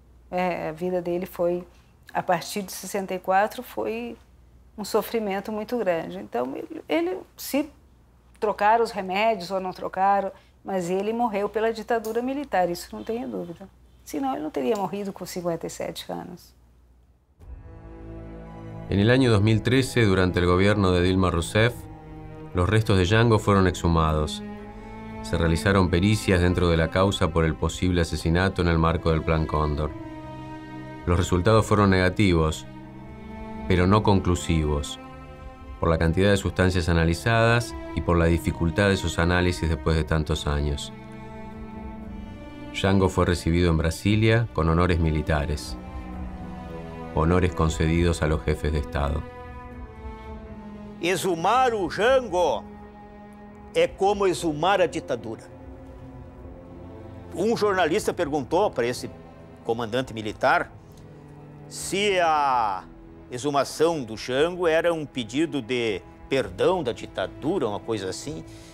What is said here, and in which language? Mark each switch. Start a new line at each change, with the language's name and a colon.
Portuguese: A vida dele foi, a partir de 64, foi um sofrimento muito grande. Então, ele se trocaram os remédios ou não trocaram, mas ele morreu pela ditadura militar, isso não tenho dúvida. Senão ele não teria morrido com 57 anos.
Spanish: En el año 2013, durante el gobierno de Dilma Rousseff, los restos de Jango fueron exhumados. Se realizaron pericias dentro de la causa por el posible asesinato en el marco del Plan Cóndor. Los resultados fueron negativos, pero no conclusivos, por la cantidad de sustancias analizadas y por la dificultad de sus análisis después de tantos años. Jango fue recibido en Brasilia con honores militares, honores concedidos a los jefes de Estado.
Portuguese: Exhumar o Jango é como exhumar a ditadura. Um jornalista perguntou para esse comandante militar se a exumação do Jango era um pedido de perdão da ditadura, uma coisa assim.